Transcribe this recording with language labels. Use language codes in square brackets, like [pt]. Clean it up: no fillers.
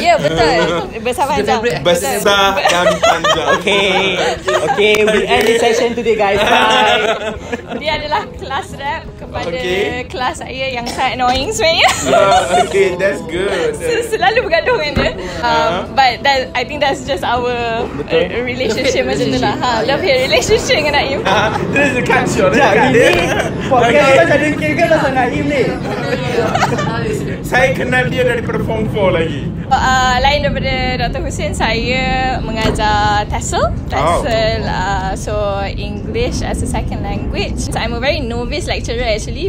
[ms] Ya, betul. Besar panjang. Besar dan panjang. [en] Okay, we end the session today guys. Bye. [ms] Dia adalah kelas rap kepada kelas saya yang sangat annoying sebenarnya. [en] Okay, that's good. [ms] Selalu bergaduh dengan dia. [en] But that, I think that's just our relationship [ms] macam tu lah. [en] Love hate relationship dengan Naim. This is a catch on. Ya, [ms] ini podcast macam Dengkir ke pasal Naim ni? Saya kenal dia dari perform 4 lagi. Lain daripada Dr. Hussein, saya mengajar TESOL. [en] So English as a second language. So, I'm a very novice lecturer actually.